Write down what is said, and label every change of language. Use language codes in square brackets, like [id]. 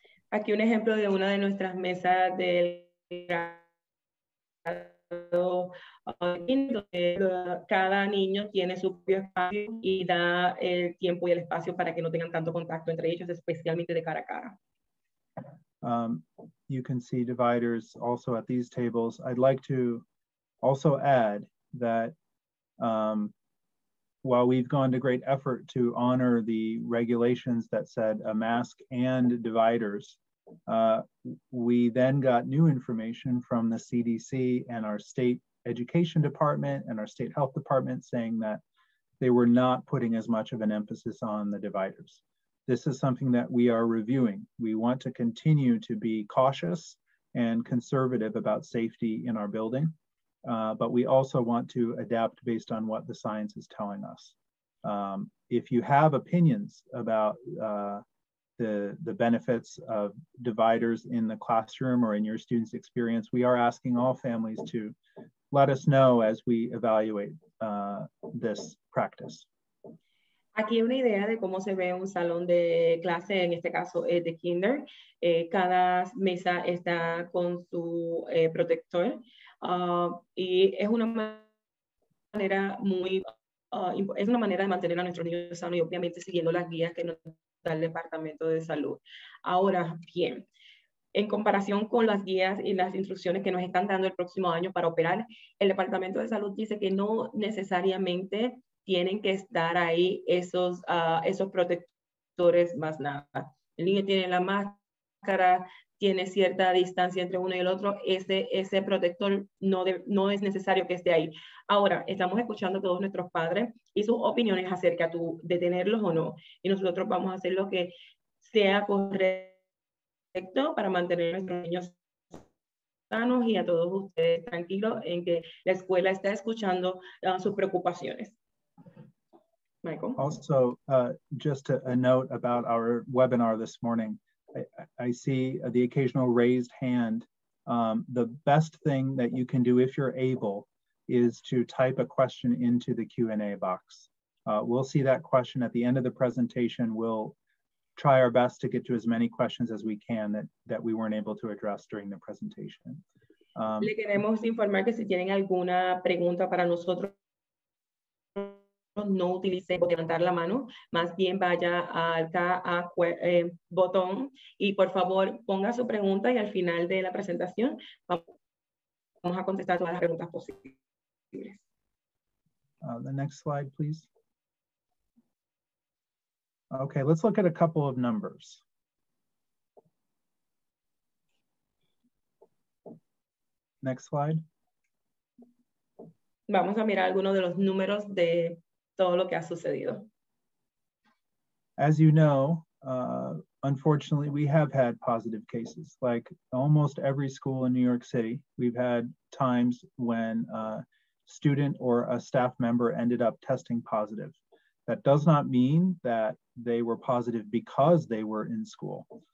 [es] Aquí un ejemplo de una de nuestras mesas del grado, donde cada niño tiene su propio espacio y da el tiempo y el espacio para que no tengan tanto contacto entre ellos, especialmente de cara a cara. [en] You can see dividers also at these tables. I'd like to also add that while we've gone to great effort to honor the regulations that said a mask and dividers, we then got new information from the CDC and our state education department and our state health department saying that they were not putting as much of an emphasis on the dividers. This is something that we are reviewing. We want to continue to be cautious and conservative about safety in our building, but we also want to adapt based on what the science is telling us. If you have opinions about the benefits of dividers in the classroom or in your students' experience, we are asking all families to let us know as we evaluate this practice. [es] Aquí una idea de cómo se ve un salón de clase, en este caso es de kinder. Cada mesa está con su protector y es una manera de mantener a nuestros niños sanos y obviamente siguiendo las guías que nos del Departamento de Salud. Ahora bien, en comparación con las guías y las instrucciones que nos están dando el próximo año para operar, el Departamento de Salud dice que no necesariamente tienen que estar ahí esos protectores más nada. El niño tiene la máscara, tiene cierta distancia entre uno y el otro, ese protector no es necesario que esté ahí. Ahora, estamos escuchando a todos nuestros padres y sus opiniones acerca de tenerlos o no. Y nosotros vamos a hacer lo que sea correcto para mantener a nuestros niños sanos y a todos ustedes tranquilos en que la escuela está escuchando sus preocupaciones. [en] Michael. Also, just a note about our webinar this morning. I see the occasional raised hand. The best thing that you can do if you're able is to type a question into the Q&A box. We'll see that question at the end of the presentation. We'll try our best to get to as many questions as we can that we weren't able to address during the presentation. [es] Le queremos informar que si tienen alguna pregunta para nosotros, no utilicen levantar la mano, más bien vaya al botón y por favor ponga su pregunta y al final de la presentación vamos a contestar todas las preguntas posibles. [en] The next slide, please. Okay, let's look at a couple of numbers. Next slide. [es] Vamos a mirar algunos de los números de todo lo que ha sucedido. [en] As you know, unfortunately, we have had positive cases. Like almost every school in New York City, we've had times when a student or a staff member ended up testing positive. That does not mean that they were positive because they were in school.